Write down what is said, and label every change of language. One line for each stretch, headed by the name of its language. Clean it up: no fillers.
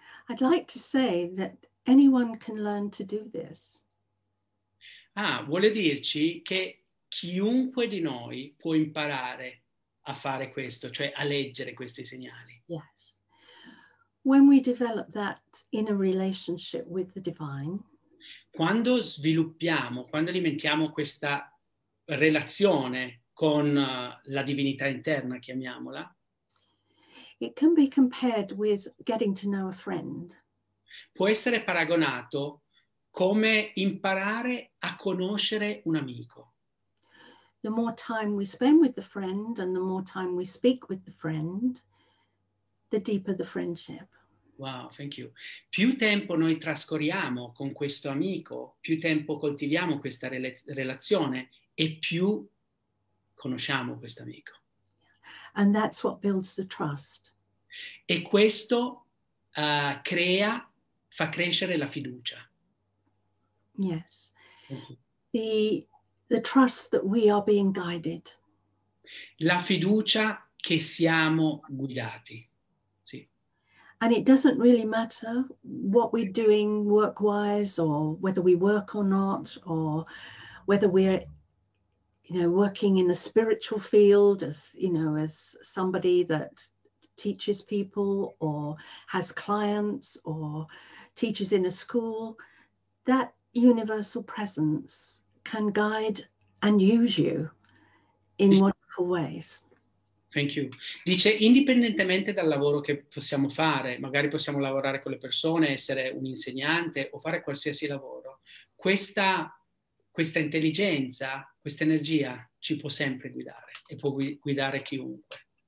English: I'd like to say that anyone can learn to do this.
Italian: Ah, vuole dirci che chiunque di noi può imparare a fare questo, cioè a leggere questi segnali.
English: Yes. When we develop that inner relationship with the divine,
Italian: quando sviluppiamo, quando alimentiamo questa relazione con la divinità interna, chiamiamola,
English: it can be compared with getting to know a friend.
Italian: Può essere paragonato come imparare a conoscere un amico.
English: The more time we spend with the friend and the more time we speak with the friend, the deeper the friendship. Wow, thank you.
Italian: Più tempo noi trascorriamo con questo amico, più tempo coltiviamo questa relazione e più conosciamo questo amico.
English: And that's what builds the trust.
Italian: E questo fa crescere la fiducia.
English: Yes. The trust that we are being guided.
Italian: La fiducia che siamo guidati. Sì.
English: And it doesn't really matter what we're doing work-wise or whether we work or not or whether we're, you know, working in a spiritual field as, you know, as somebody that teaches people or has clients or teaches in a school, that universal presence can guide and use you in wonderful ways. Thank you.
Italian: Dice, indipendentemente dal lavoro che possiamo fare, magari possiamo lavorare con le persone, essere un insegnante o fare qualsiasi lavoro, questa intelligenza, questa energia ci può sempre guidare e può guidare chiunque.